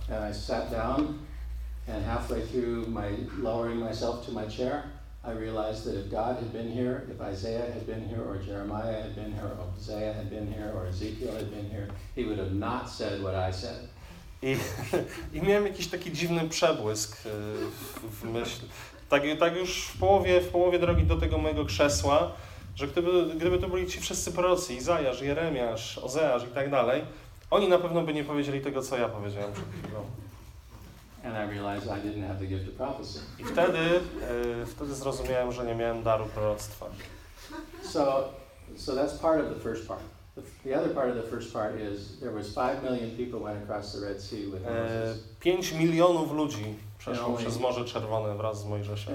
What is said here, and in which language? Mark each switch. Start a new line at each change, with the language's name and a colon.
English: And I sat down and halfway through my lowering myself to my chair, I realized that if God had been here, if Isaiah had been here, or Jeremiah had been here, or Hosea had been here, or Ezekiel had been here, he would have not said what I said.
Polish: I miałem jakiś taki dziwny przebłysk w myśli. Tak już w połowie drogi do tego mojego krzesła, że gdyby to byli ci wszyscy prorocy, Izajasz, Jeremiasz, Ozeasz i tak dalej, oni na pewno by nie powiedzieli tego, co ja powiedziałem przed chwilą.
English: And I realized I didn't have the gift of prophecy.
Polish: I wtedy zrozumiałem, że nie miałem daru proroctwa.
English: So that's part of the first part. The other part of the first part is there was 5 million people went across the Red Sea with Moses.
Polish: 5 milionów ludzi przeszło przez Morze Czerwone wraz z Mojżeszem.